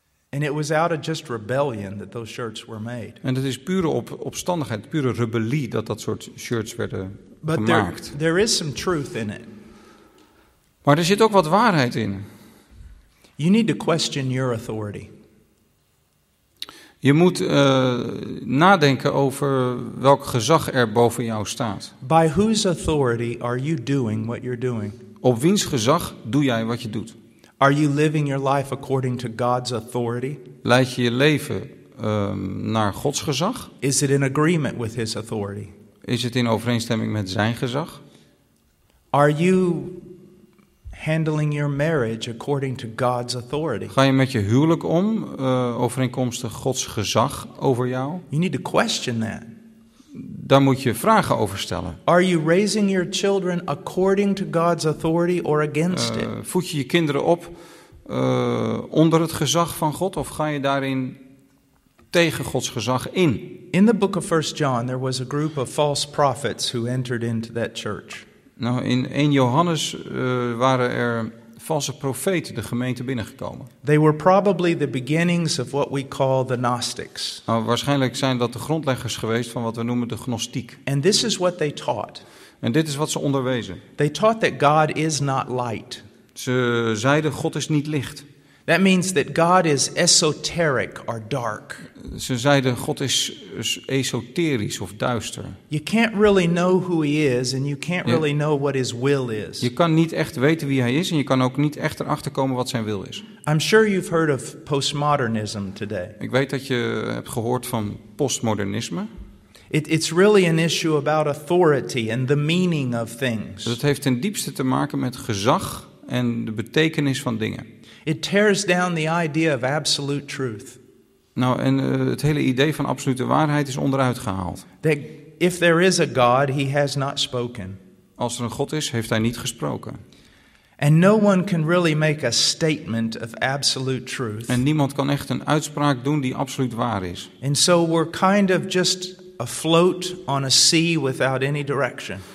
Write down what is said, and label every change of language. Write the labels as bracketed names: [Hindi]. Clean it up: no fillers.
[English] And it was out of just rebellion that those shirts were made. [Dutch] En het is pure opstandigheid, pure rebellie dat dat soort shirts werden [English] but [Dutch] gemaakt. [English] There is some truth in it. [Dutch] Maar er zit ook wat waarheid in. [English] You need to question your authority. [Dutch] Je moet nadenken over welk gezag er boven jou staat. [English] By whose authority are you doing what you're doing? [Dutch] Op wiens gezag doe jij wat je doet? [English] Are you living your life according to God's authority? [Dutch] Leid je je leven naar Gods gezag? [English] Is it in agreement with his authority? [Dutch] Is het in overeenstemming met zijn gezag? [English] Are you handling your marriage according to God's authority? [Dutch] Ga je met je huwelijk om overeenkomstig Gods gezag over jou? [English] You need to question that. [Dutch] Daar moet je vragen over stellen. [English] Are you raising your children according to God's authority or against it? [Dutch] Voed je je kinderen op onder het gezag van God of ga je daarin tegen Gods gezag in? [English] In the book of 1 John there was a group of false prophets who entered into that church. [Dutch] Nou, in 1 Johannes waren er valse profeten de gemeente binnengekomen. [English] They were probably the beginnings of what we call the Gnostics. [Dutch] Nou, waarschijnlijk zijn dat de grondleggers geweest van wat we noemen de gnostiek. [English] And this is what they taught. [Dutch] En dit is wat ze onderwezen. [English] They taught that God is not light. [Dutch] Ze zeiden God is niet licht. [English] That means that God is esoteric or dark. [Dutch] Ze zeiden God is esoterisch of duister. [English] You can't really know who he is and you can't really know what his will is. [Dutch] Je kan niet echt weten wie hij is en je kan ook niet echt erachter komen wat zijn wil is. [English] I'm sure you've heard of postmodernism today. [Dutch] Ik weet dat je hebt gehoord van postmodernisme. [English] It's really an issue about authority and the meaning of things. [Dutch] Dat heeft ten diepste te maken met gezag en de betekenis van dingen. [English] It tears down the idea of absolute truth. [Dutch] Nou, en het hele idee van absolute waarheid is onderuit gehaald. [English] That if there is a God, he has not spoken. [Dutch] Als er een God is, heeft hij niet gesproken. [English] And no one can really make a statement of absolute truth. [Dutch] En niemand kan echt een uitspraak doen die absoluut waar is. [English] And so we're kind of just afloat on a sea without any direction.